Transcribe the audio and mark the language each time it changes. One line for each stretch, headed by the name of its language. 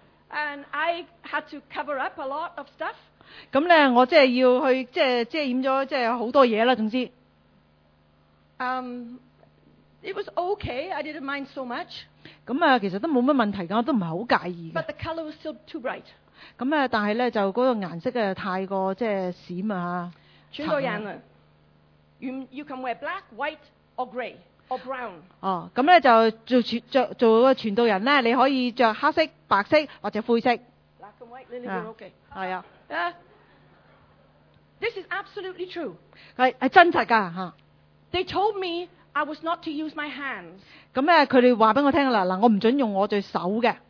English: And I had to cover up a lot of stuff.
Cantonese: 咁咧，我即系要去遮掩咗，即系好多嘢啦。总之
English: ，it was okay. I didn't mind so much.
Cantonese: 咁啊，其实都冇乜问题噶，我都唔系好介意。
English: But the color was still too bright.
Cantonese: 咁啊，但系咧就嗰个颜色啊，太过即系闪啊，全部人啊
English: ，you can wear black, white or grey. Or brown.
Cantonese: 哦，咁咧就做个传道人咧，你可以着黑色、白色或者灰色。
English: Black and white, linen, okay.
Cantonese: 系啊。
English: This is absolutely true.
Cantonese: 系真实噶吓。
English: They told me I was not to use my hands.
Cantonese: 咁咧，佢哋话俾我听啦，嗱，我唔准用我对手嘅。